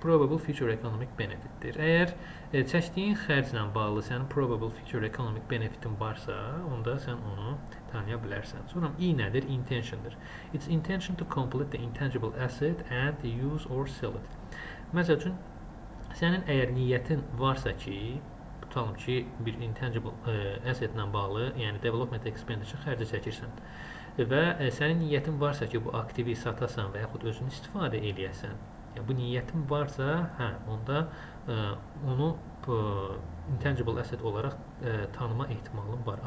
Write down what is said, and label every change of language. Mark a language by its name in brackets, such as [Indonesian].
[Azerbaijani] Probable future economic benefit-dir. Əgər çəkdiyin xərclə bağlı sənin probable future economic benefit-in varsa, onda sən onu tanıya bilərsən. Sonra İ nədir? Intention-dir. [English] It's intention to complete the intangible asset and use or sell it. [Azerbaijani] Məsəl üçün, sənin əgər niyyətin varsa ki, tutalım ki, bir intangible asset ilə bağlı, yəni development expenditure xərcə çəkirsən və sənin niyyətin varsa ki, bu aktivi satasan və yaxud özünü istifadə eləyəsən, yəni bu niyyətin varsa, hə, onda onu intangible asset olaraq tanıma ehtimalın var.